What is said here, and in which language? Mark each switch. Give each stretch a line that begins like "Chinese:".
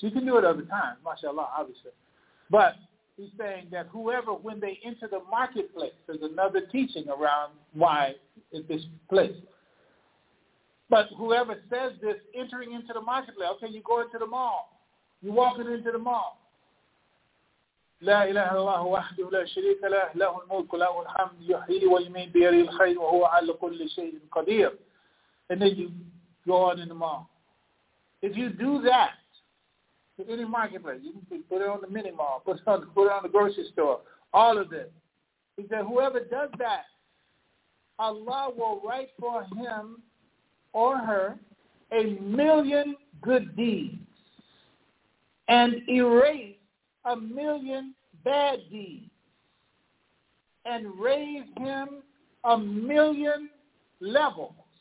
English: You can do it other times, mashallah, obviously. But he's saying that whoever, when they enter the marketplace, there's another teaching around why in this place. But whoever says this, entering into the marketplace, okay, you go into the mall. You walk into the mall.
Arabic: لا إله الله وحده لا شريك له له الملك له الحمد يحيي ويميت بيده الخير وهو على كل شيء قدير.
English: And then you go on in the mall. If you do that to any marketplace, you can put it on the mini mall, put it on the grocery store, all of this. He said, whoever does that, Allah will write for him or her a million good deeds and erase a million bad deeds and raise him a million levels.